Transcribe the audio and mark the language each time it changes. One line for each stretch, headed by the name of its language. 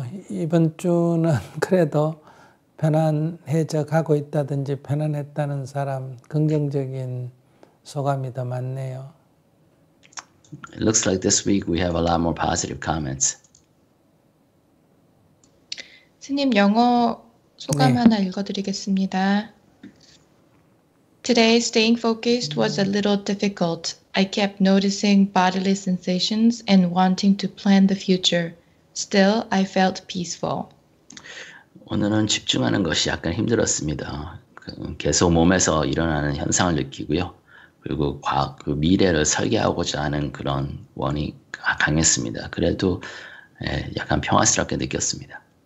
Korean: 이번 주는 그래도 편안해져 가고 있다든지 편안했다는 사람 긍정적인 소감이 더 많네요.
English: It looks like this week we have a lot more positive comments.
Korean: 스님 영어 소감 네. 하나 읽어드리겠습니다.
English: Today staying focused was a little difficult. I kept noticing bodily sensations and wanting to plan the future. Still, I felt peaceful.
Korean: 오늘은 집중하는 것이 약간 힘들었습니다. 계속 몸에서 일어나는 현상을 느끼고요. 그리고 그 미래를 설계하고자 하는 그런 원이 강했습니다. 그래도 약간 평화스럽게 느꼈습니다.